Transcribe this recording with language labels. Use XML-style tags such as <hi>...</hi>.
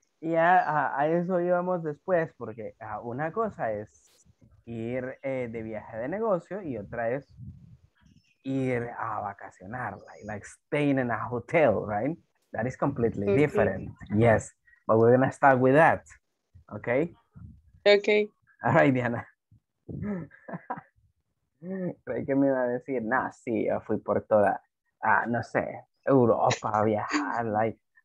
<es>Yeah, a eso íbamos después porque una cosa es ir de viaje de negocio y otra es ir a vacacionar,</es> <en>like staying in a hotel, right? That is completely different. Okay. Yes, but we're gonna start with that, okay? Okay. All right, Diana.</en> <es>Creí que me iba a decir, nah, sí, yo fui por toda, no sé, Europa, a viajar, like</es>